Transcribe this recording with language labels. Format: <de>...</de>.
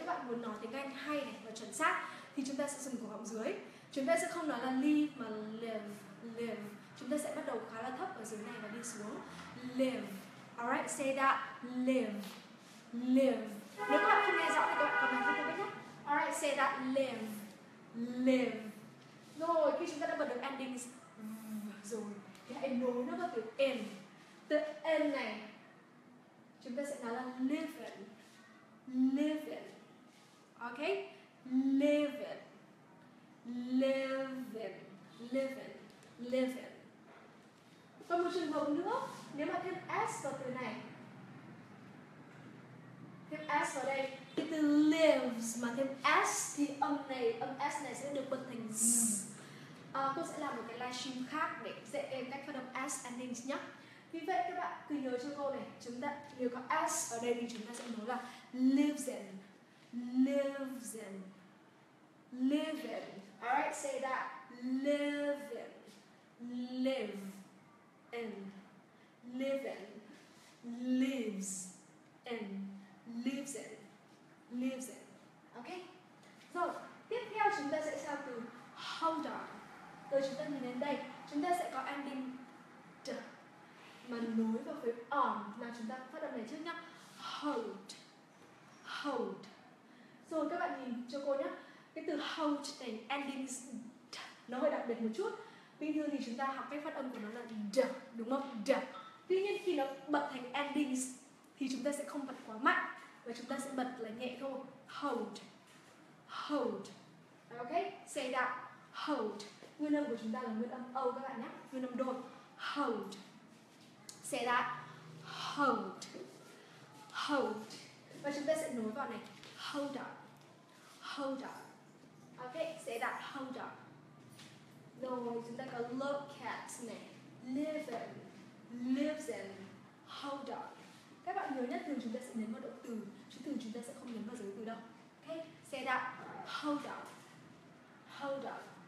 <vi>Nếu các bạn muốn nói tiếng Anh hay này và chuẩn xác thì chúng ta sẽ dùng cổ họng dưới. Chúng ta sẽ không nói là live mà live, live. Chúng ta sẽ bắt đầu khá là thấp ở dưới này và đi xuống.</vi> <en>Live. Alright, say that. Live. Live.</en> <vi>Nếu các bạn không nghe rõ thì các bạn comment cho cô biết nhé.</vi> <en>Alright, say that, live, live.</en> <vi>Rồi, khi chúng ta đã bật được endings rồi thì hãy nối nó vào từ end. Từ end này chúng ta sẽ nói là living, living.</vi> <en>Ok, living, living, living, living.</en> <vi>Còn một trường hợp nữa, nếu mà thêm S vào từ này, thêm S vào đây, cái từ lives mà thêm S thì âm này, âm S này sẽ được bật thành Z. Cô sẽ làm một cái livestream khác để dạy em cách phát âm S endings nhá. Vì vậy các bạn cứ nhớ cho cô này, chúng ta nếu có S ở đây thì chúng ta sẽ nói là</vi> <en>lives in, lives in, live in. Alright, say that, live in, live in, live in, lives in, lives in, lives in. Ok.</en> <vi>Rồi, tiếp theo chúng ta sẽ sang từ hold on. Rồi chúng ta nhìn đến đây, chúng ta sẽ có ending d mà nối vào với on, là chúng ta phát âm này trước nhá. Hold, hold. Rồi các bạn nhìn cho cô nhá, cái từ hold này, ending d, nó hơi đặc biệt một chút. Bình thường thì chúng ta học cách phát âm của nó là d, đúng không? D. Tuy nhiên khi nó bật thành endings thì chúng ta sẽ không bật quá mạnh, và chúng ta sẽ bật là nhẹ thôi.</vi> <en>Hold, hold. Ok, say that, hold.</en> <vi>Nguyên âm của chúng ta là nguyên âm O các bạn nhé, nguyên âm đột.</vi> <en>Hold, say that, hold, hold.</en> <vi>Và chúng ta sẽ nối vào này,</vi> <en>hold on, hold on. Ok, say that, hold on.</en> <vi>Rồi chúng ta có</vi> <en>look at này, live in, lives in, hold on.</en> <vi>Các bạn nhớ nhất, thường chúng ta sẽ nhấn vào động từ, chứ thường chúng ta sẽ không nhấn vào giới từ đâu.</vi> <en>Ok, say that, hold on, hold on.</en>